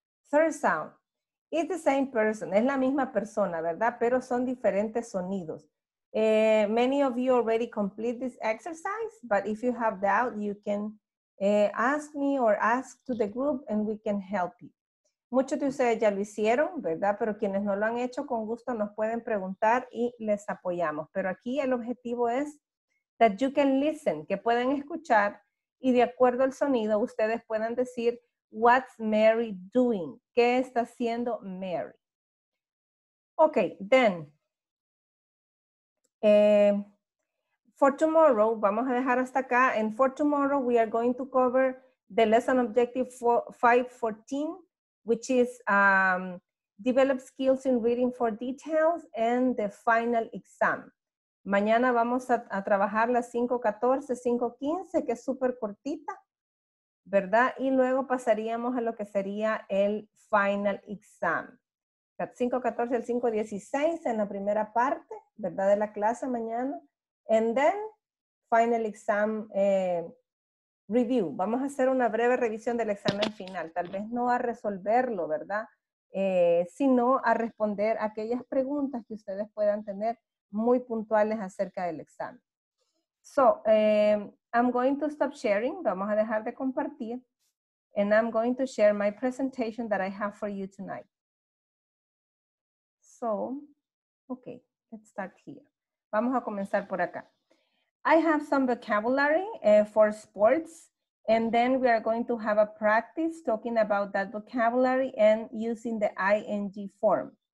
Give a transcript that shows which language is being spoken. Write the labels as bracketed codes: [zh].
[en] Third sound, it's the same person. [es] Es la misma persona, ¿verdad? Pero son diferentes sonidos. [en] Many of you already complete this exercise, but if you have doubt, you can ask me or ask to the group and we can help you. [es] Muchos de ustedes ya lo hicieron, ¿verdad? Pero quienes no lo han hecho, con gusto nos pueden preguntar y les apoyamos. Pero aquí el objetivo es [en] that you can listen, [es] que pueden escuchar y de acuerdo al sonido ustedes puedan decir, [en] what's Mary doing? [es] ¿Qué está haciendo Mary? [en] Okay, then. For tomorrow, [es] vamos a dejar hasta acá. [en] And for tomorrow, we are going to cover the lesson objective 5.14, which is develop skills in reading for details and the final exam. [es] Mañana vamos a trabajar la 5.14, 5.15, que es súper cortita, ¿verdad? Y luego pasaríamos a lo que sería el final exam. 5.14, el 5.16 en la primera parte, ¿verdad? De la clase mañana. [en] And then, final exam review. [es] Vamos a hacer una breve revisión del examen final. Tal vez no a resolverlo, ¿verdad? Sino a responder aquellas preguntas que ustedes puedan tener muy puntuales acerca del examen. [en] So, I'm going to stop sharing. [es] Vamos a dejar de compartir. [en] And I'm going to share my presentation that I have for you tonight. So, okay, let's start here. [es] Vamos a comenzar por acá. [en] I have some vocabulary for sports, and then we are going to have a practice talking about that vocabulary and using the ing form.